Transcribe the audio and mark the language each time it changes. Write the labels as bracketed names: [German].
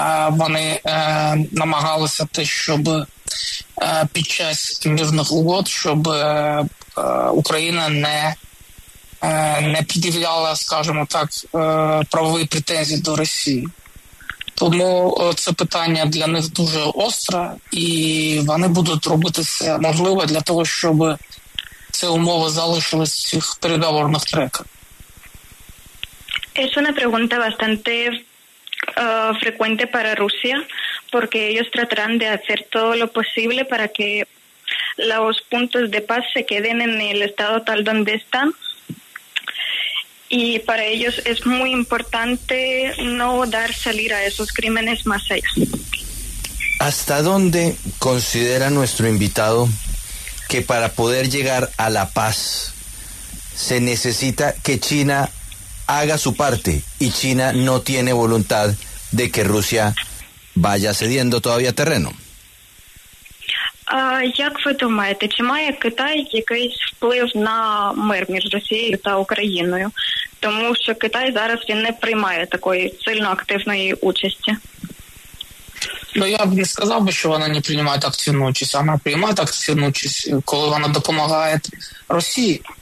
[Ukrainian] Вони намагалися те, щоб під час мирних угод, щоб Україна не під'являла, скажімо так, правові претензії до Росії. Тому це питання для них дуже остре, і вони будуть робити все можливе для того, щоб ці умови залишились в цих переговорних треках. [Spanish] Es una pregunta bastante frecuente para Rusia, porque ellos tratarán de hacer todo lo posible para que los puntos de paz se queden en el estado tal donde están. Y para ellos es muy importante no dar salir a esos crímenes más allá. ¿Hasta dónde considera nuestro invitado que para poder llegar a la paz se necesita que China haga su parte y China no tiene voluntad de que Rusia vaya cediendo todavía terreno? [Ukrainian] Як ви думаєте, чи має Китай якийсь вплив на мир між Росією та Україною? Тому що Китай зараз він не приймає такої сильно активної участі. Ну, я б не сказав би, що вона не приймає активну участь. Вона приймає активну участь, коли вона допомагає Росії.